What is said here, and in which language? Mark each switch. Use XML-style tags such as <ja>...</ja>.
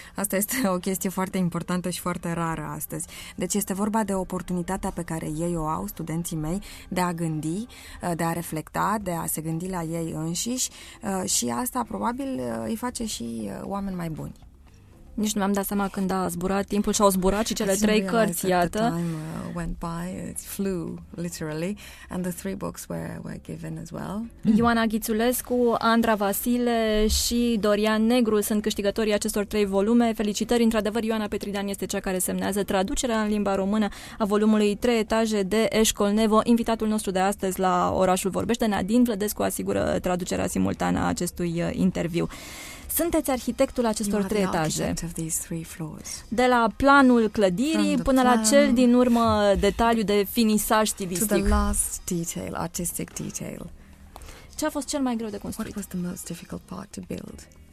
<ro>Asta este o chestie foarte importantă și foarte rară astăzi. Deci este vorba de oportunitatea pe care ei o au, studenții mei, de a gândi, de a reflecta, de a se gândi la ei înșiși, și asta probabil îi face și oameni mai buni. Nici nu mi-am dat seama când a zburat timpul și au zburat și cele trei cărți, iată.</ro> <en>The time went by, it flew literally, and the three books were given as well.</en> <ro>Ioana Ghițulescu, Andra Vasile și Dorian Negru sunt câștigătorii acestor trei volume. Felicitări, într-adevăr, Ioana Petridan este cea care semnează traducerea în limba română a volumului Trei etaje de Eșcol Nevo. Invitatul nostru de astăzi la Orașul Vorbește, Nadine Vlădescu, asigură traducerea simultană a acestui interviu. Sunteți arhitectul acestor trei etaje. De la planul clădirii până la cel din urmă detaliu de finisaj stilistic.</ro> <en>To the last detail, artistic detail.</en> <ro>Ce a fost cel mai greu de construit?</ro> <en>What was the most difficult part to build?</en>